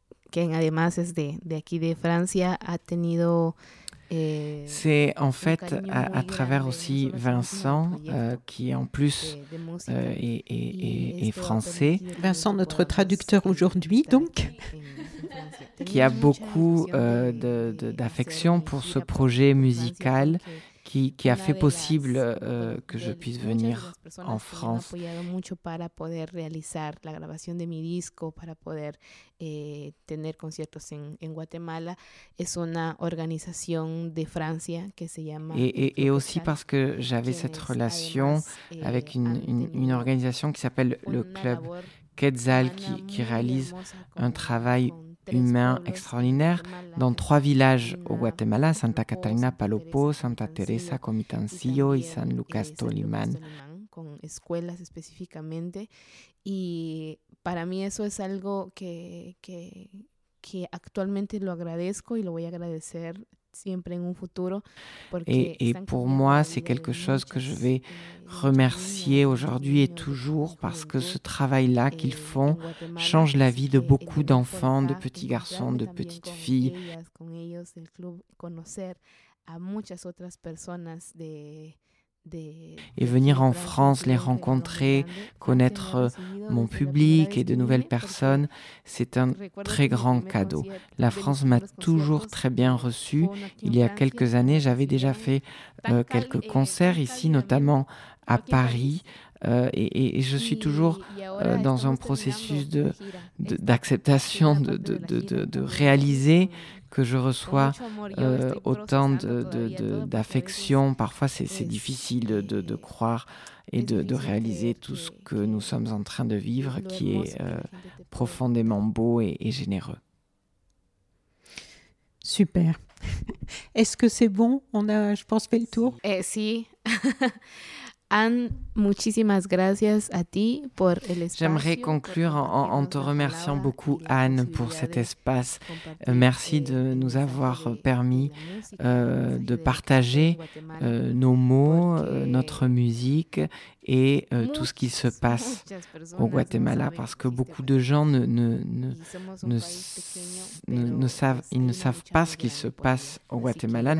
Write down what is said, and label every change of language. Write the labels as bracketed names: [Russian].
[Spanish] Quien además es de aquí de Francia ha tenido [French] c'est en fait à travers aussi Vincent qui en plus est français. Vincent, notre traducteur aujourd'hui, donc. qui a beaucoup d'affection pour ce projet musical. Qui a fait possible que je puisse venir en France. [Spanish] Ha apoyado mucho para poder realizar la grabación de mi disco, para poder tener conciertos en Guatemala. Es una organización de Francia que se llama. [French] Et aussi parce que j'avais cette relation avec une organisation qui s'appelle le Club Quetzal, qui réalise un travail humain extraordinaire dans trois villages au Guatemala, Santa Catarina Palopo, Santa Teresa Comitancillo et San Lucas Toliman. [Spanish] Con escuelas específicamente y para mí eso es algo que actualmente lo agradezco y lo voy a agradecer siempre en un futuro porque [French] et pour moi c'est quelque chose que je vais remercier aujourd'hui et toujours parce que ce travail-là qu'ils font change la vie de beaucoup d'enfants, de petits garçons, de petites filles. [Spanish] Con ellos del club conocer a muchas otras personas de [French] Et venir en France, les rencontrer, connaître mon public et de nouvelles personnes, c'est un très grand cadeau. La France m'a toujours très bien reçu. Il y a quelques années, j'avais déjà fait quelques concerts ici, notamment à Paris, Et je suis toujours dans un processus d'acceptation, de réaliser que je reçois autant d'affection. Parfois, c'est difficile de croire et de réaliser tout ce que nous sommes en train de vivre, qui est profondément beau et généreux. Super. Est-ce que c'est bon? On a, je pense, fait le tour. [Spanish] Si. Anne, muchísimas gracias a ti por el espacio. [French] J'aimerais conclure en te remerciant beaucoup, Anne, pour cet espace. Merci de nous avoir permis de partager nos mots, notre musique et tout ce qui se passe au Guatemala, parce que beaucoup de gens ne savent pas ce qui se passe au Guatemala.